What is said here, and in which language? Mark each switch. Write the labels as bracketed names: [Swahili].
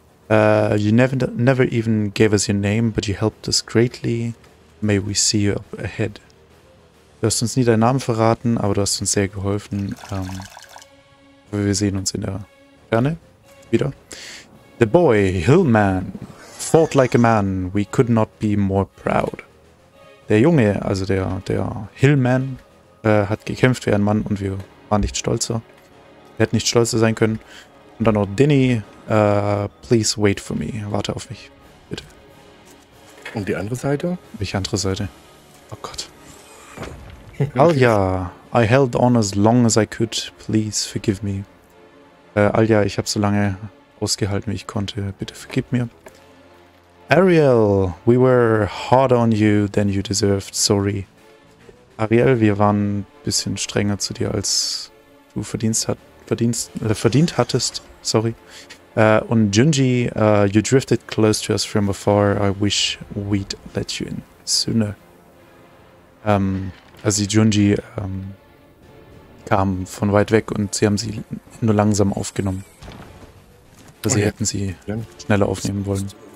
[English] You never even gave us your name, but you helped us greatly. May we see you up ahead. [German] Du hast uns nie deinen Namen verraten, aber du hast uns sehr geholfen. Wir sehen uns in der Ferne wieder. [English] The boy, Hillman, fought like a man. We could not be more proud. [German] Der Junge, also der Hillman, hat gekämpft wie ein Mann und wir waren nicht stolzer. Wir hätten nicht stolzer sein können. Und dann noch Dinny, [English] please wait for me. [German] Warte auf mich, bitte. Und die andere Seite? Welche andere Seite? Oh Gott. [English] Alja, I held on as long as I could. Please forgive me. [German] Alja, ich habe so lange ausgehalten, wie ich konnte. Bitte vergib mir. [English] Ariel, we were harder on you than you deserved. Sorry. [German] Ariel, wir waren ein bisschen strenger zu dir, als du verdient hattest. [English] Sorry. [German] Und [English] Junji, you drifted close to us from afar. I wish we'd let you in sooner. [German] Also Junji kam von weit weg und sie haben sie nur langsam aufgenommen. Also sie hätten sie schneller aufnehmen wollen.